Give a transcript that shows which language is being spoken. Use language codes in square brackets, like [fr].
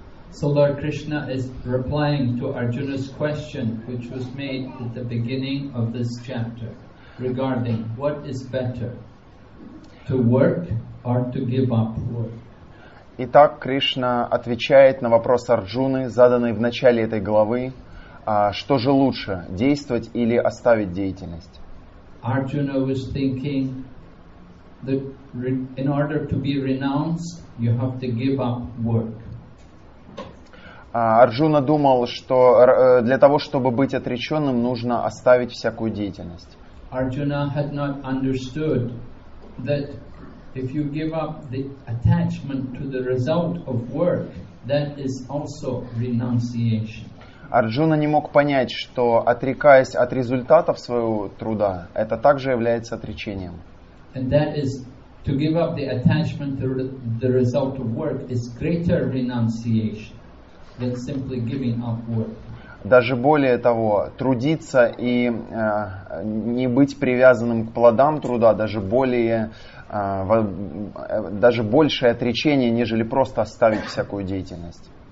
[en] So Lord Krishna is replying to Arjuna's question which was made at the beginning of this chapter regarding what is better, to work or to give up work. [ru] Итак, Кришна отвечает на вопрос Арджуны, заданный в начале этой главы, что же лучше, действовать или оставить деятельность? [en] Arjuna was thinking that in order to be renounced, you have to give up work. [ru] Арджуна думал, что для того, чтобы быть отреченным, нужно оставить всякую деятельность. [en] Arjuna had not understood that if you give up the attachment to the result of work, that is also renunciation. [ru] Арджуна не мог понять, что отрекаясь от результатов своего труда, это также является отречением. [en] And that is to give up the attachment to the result of work is greater renunciation than simply giving up work. [ru] Даже более того, трудиться и не быть привязанным к плодам труда, даже большее отречение, нежели просто оставить всякую деятельность.